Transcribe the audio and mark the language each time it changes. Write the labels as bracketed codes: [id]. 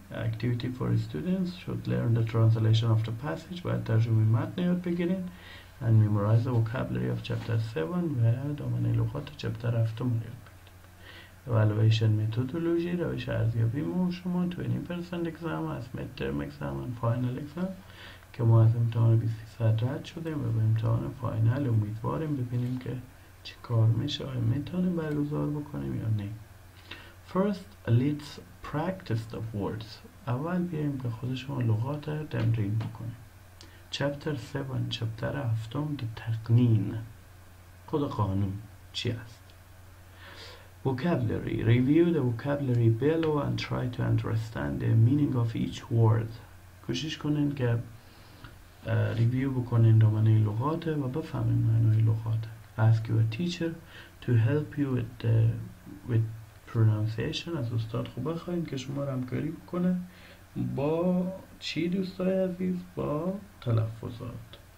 [en] Activity for students should learn the translation of the passage. [fa] باید ترجمه متن یاد بگیرین. [en] And memorize the vocabulary of chapter 7 [fa] و دامنه لغات chapter 7 رو یاد بگیرین. [en] Evaluation methodology, [fa] روش ارزیابی مو شما, [en] 20% exam [fa] هست, [en] midterm exam and final exam [fa] که ما از امتحان 23 رد شدیم و به امتحان فاینل امیدواریم ببینیم که چی کار میشه, آیا میتونیم برگزار بکنیم یا نه. [en] First, let's practice the words. [fa] اول بیاییم به خود شما لغات رو تمرین بکنیم. [en] Chapter 7, chapter 7, the تقنین. [fa] خود قانون چی است؟ Vocabulary. [en] Review the vocabulary below and try to understand the meaning of each word. [fa] کوشش کنین که ریویو بکنین دامنه لغات و بفهمین معنای لغات. [en] Ask your teacher to help you with pronunciation. [fa] از استاد خوب بخواهید که شما را همکاری بکنه با چی دوستای عزیز؟ با تلفظات.